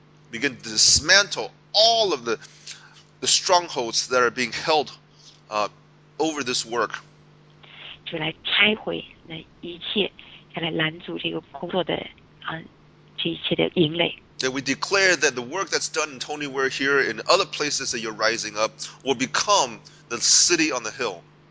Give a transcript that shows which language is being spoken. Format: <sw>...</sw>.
<en>Begin to dismantle all of the strongholds that are being held over this work.</en> <zh>就来拆毁那一切，要来拦阻这个工作的这一切的营垒。</zh> <en>That we declare that the work that's done in Tony Ware here in other places that you're rising up will become the city on the hill.</en>